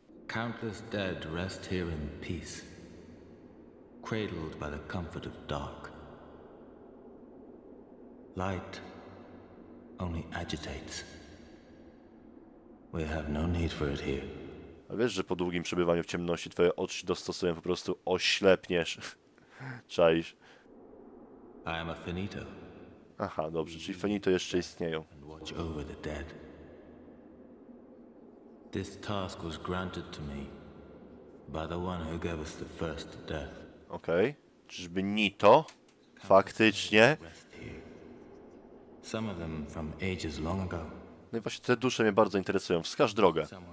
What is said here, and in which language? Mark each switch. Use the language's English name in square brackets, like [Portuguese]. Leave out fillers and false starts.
[English] Countless dead rest here in peace. Cradled by the comfort of dark. Light only agitates. We have no need for it here. [Polish] A wiesz, że po długim przebywaniu w ciemności twoje oczy dostosują, po prostu oślepniesz. Czaisz. [English] I am a finito. [Polish] Aha, dobrze, czyli finito jeszcze istnieją. [English] Watch over the dead. This task was granted to me by the one who gave us the first death. [Polish] Okej. Okay. Czyżby Nito? Faktycznie. [English] Some of them from ages long ago. [Polish] No i właśnie te dusze mnie bardzo interesują. Wskaż drogę.